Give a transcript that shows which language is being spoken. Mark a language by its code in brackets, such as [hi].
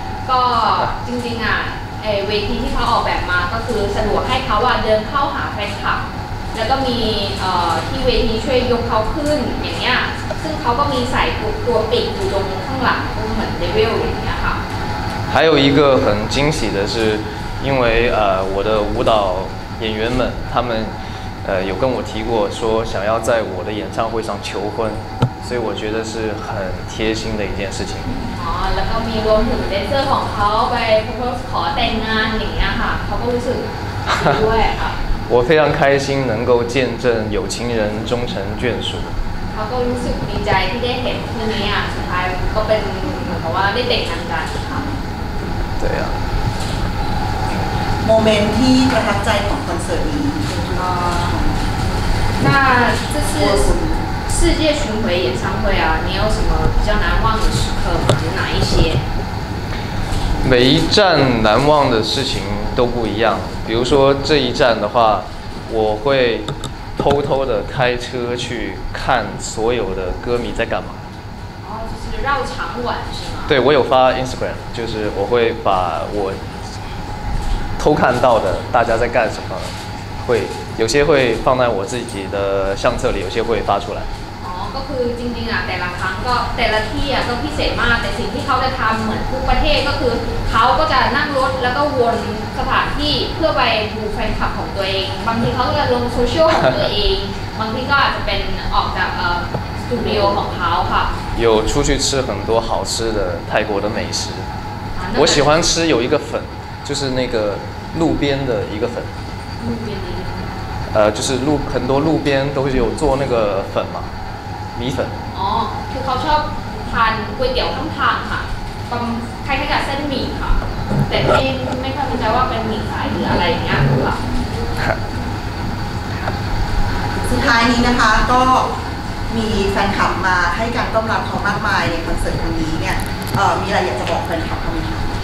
[th] ก็จริงๆอ่ะเวทีที่เขาออกแบบมาก็คือสะดวกให้เขาว่าเดินเข้าหาแฟนคลับแล้วก็มีที่เวทีช่วยยกเขาขึ้นอย่างเงี้ยซึ่งเขาก็มีใส่ตัวปิดอยู่ตรงข้างหลังเหมือนเดวิลอย่างเงี้ยค่ะ [zh] 还有一个很惊喜的是因为我的舞蹈演员们他们有跟我提过说想要在我的演唱会上求婚所以我觉得是很贴心的一件事情。 [th] แล้วก็มีรวมถึงเดนเซอร์ของเขาไปขอแต่งงานอย่างเงี้ยค่ะเขาก็รู้สึกด้วยค่ะ [zh] 我非常开心能够见证有情人终成眷属 [th] เขาก็รู้สึกดีใจที่ได้เห็นคู่นี้อ่ะสุดท้ายก็เป็นเหมือนกับว่าได้แต่งงานกันค่ะ [zh] 对啊 [th] โมเมนต์ที่ประทับใจของคอนเสิร์ตนี้ [zh] 那这是世界巡回演唱会啊，你有什么比较难忘的时刻吗？有哪一些？每一站难忘的事情都不一样。比如说这一站的话，我会偷偷的开车去看所有的歌迷在干嘛。就是绕场馆是吗？对，我有发 Instagram， 就是我会把我偷看到的大家在干什么，会。有些会放在我自己的相册里，有些会发出来。哦，就是真的啊， [th] แต่ละครั้งก็แต่ละที่อ่ะก็พิเศษมากแต่สิ่งที่เขาจะทำเหมือนทุกประเทศก็คือเขาก็จะนั่งรถแล้วก็วนสถานที่เพื่อไปดูแฟนคลับของตัวเองบางทีเขาก็จะลงโซเชียลของตัวเองบางทีก็อาจจะเป็นออกจากสตูดิโอของเขาค่ะ [zh] 有出去吃很多好吃的泰国的美食，我喜欢吃有一个粉，就是那个路边的一个粉。路边的一个粉。就是很多路边都有做那个粉嘛，米粉。哦，就他喜欢吃粿条汤汤哈，跟开开个身米哈，但是没看明白话跟米菜是啥一样哈。 [th] สุดท้ายนี้นะคะก็มีแฟนคลับมาให้การต้อนรับเขามากมายในคอนเสิร์ตครั้งนี้เนี่ยมีอะไรอยากจะบอกแฟนคลับเขาไหมคะ